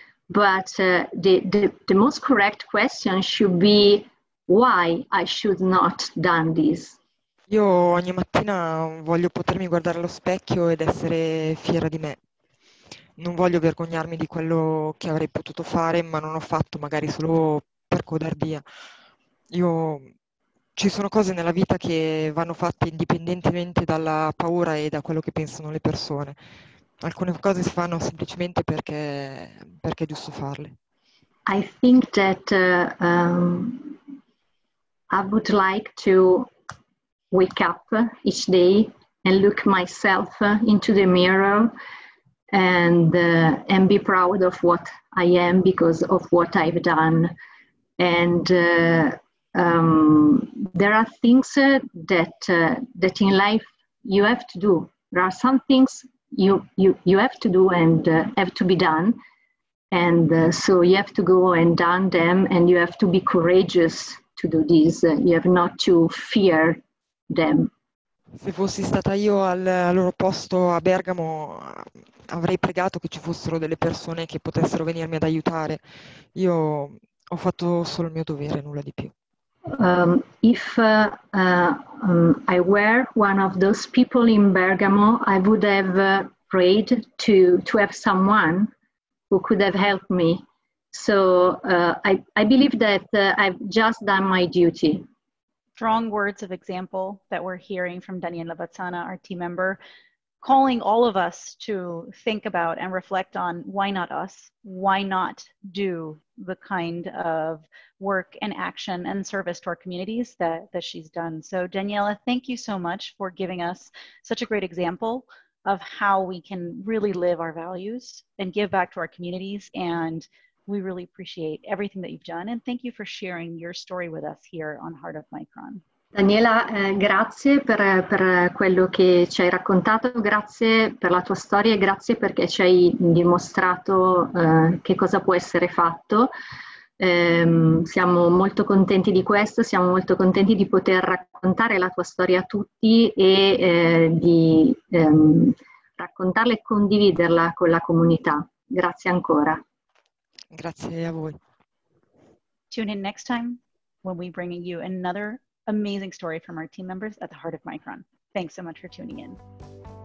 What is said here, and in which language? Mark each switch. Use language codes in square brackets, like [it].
[en] But the most correct question should be why I should not done this. [it] Io ogni mattina voglio potermi guardare allo specchio ed essere fiera di me. Non voglio vergognarmi di quello che avrei potuto fare, ma non ho fatto, magari solo per codardia. Io ci sono cose nella vita che vanno fatte indipendentemente dalla paura e da quello che pensano le persone. Alcune cose si fanno semplicemente perché è giusto farle. [en] I think that I would like to wake up each day and look myself into the mirror and be proud of what I am because of what I've done. There are things that in life you have to do. There are some things you have to do and have to be done, and so you have to go and done them, and you have to be courageous to do this. You have not to fear them. [it] Se fossi stata io al loro posto a Bergamo, avrei pregato che ci fossero delle persone che potessero venirmi ad aiutare. Io ho fatto solo il mio dovere, nulla di più. [en] If I were one of those people in Bergamo, I would have prayed to have someone who could have helped me. So I believe that I've just done my duty. Strong words of example that we're hearing from Daniela Bazzana, our team member, calling all of us to think about and reflect on why not us, why not do the kind of work and action and service to our communities that she's done. So Daniela, thank you so much for giving us such a great example of how we can really live our values and give back to our communities. And we really appreciate everything that you've done. And thank you for sharing your story with us here on Heart of Micron. [it] Daniela, grazie per quello che ci hai raccontato, grazie per la tua storia e grazie perché ci hai dimostrato che cosa può essere fatto. Siamo molto contenti di questo, siamo molto contenti di poter raccontare la tua storia a tutti e di raccontarla e condividerla con la comunità. Grazie ancora. Grazie a voi. [en] Tune in next time when we bring you another amazing story from our team members at the Heart of Micron. Thanks so much for tuning in.